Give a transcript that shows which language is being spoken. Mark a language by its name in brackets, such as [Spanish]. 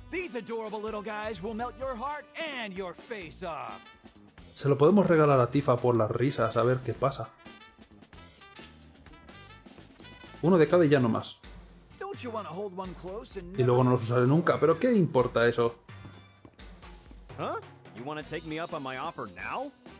[English] These adorable little guys will melt your heart and your face off. [Spanish] Se lo podemos regalar a Tifa por las risas, a ver qué pasa. Uno de cada y ya no más. Y luego no los usaré nunca, pero ¿qué importa eso? Huh? [English] You want to take me up on my offer now?